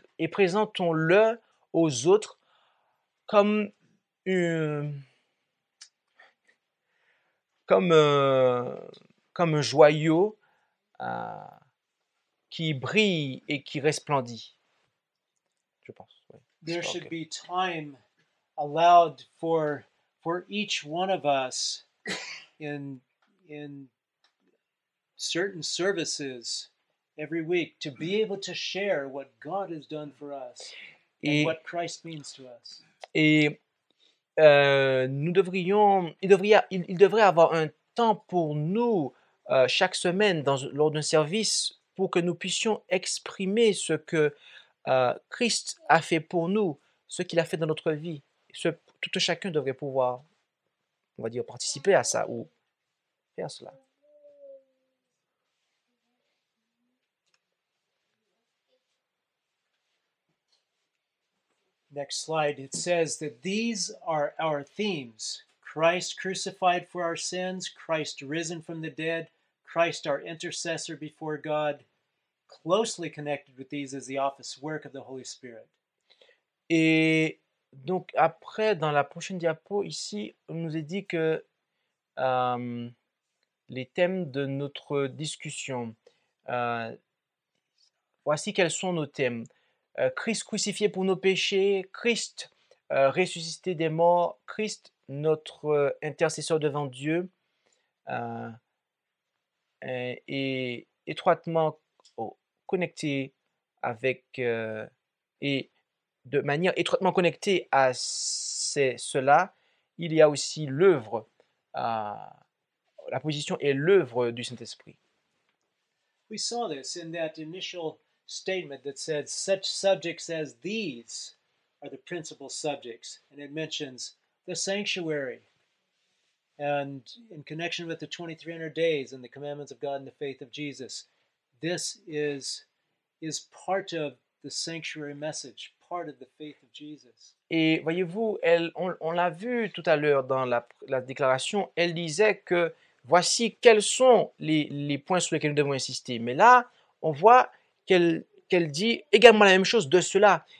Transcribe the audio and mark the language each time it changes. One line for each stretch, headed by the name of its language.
French: présentons-le aux autres comme comme un joyau qui brille et qui resplendit. Je pense. Ouais.
English: There should be time allowed for each one of us in certain services every week to be able to share what God has done for us and what Christ means to us.
French: Et il devrait avoir un temps pour nous chaque semaine lors d'un service pour que nous puissions exprimer ce que Christ a fait pour nous, ce qu'il a fait dans notre vie. Tout chacun devrait pouvoir, on va dire, participer à ça ou faire cela.
English: Next slide, it says that these are our themes. Christ crucified for our sins, Christ risen from the dead, Christ our intercessor before God. Closely connected with these is the office work of the Holy Spirit.
French: Et donc après, dans la prochaine diapo ici, on nous est dit que les thèmes de notre discussion, voici quels sont nos thèmes. Christ crucifié pour nos péchés, Christ ressuscité des morts, Christ notre intercesseur devant Dieu, et étroitement connecté avec et de manière étroitement connectée à cela, il y a aussi l'œuvre, la position et l'œuvre du Saint-Esprit.
English: We saw this in that initial statement that said such subjects as these are the principal subjects, and it mentions the sanctuary and in connection with the 2300 days and the commandments of God and the faith of Jesus. This is part of the sanctuary message, part of the faith of Jesus.
French: Et voyez-vous, on l'a vu tout à l'heure dans la déclaration, elle disait que voici quels sont les points sur lesquels nous devons insister. Mais là, on voit qu'elle dit également la même chose de cela.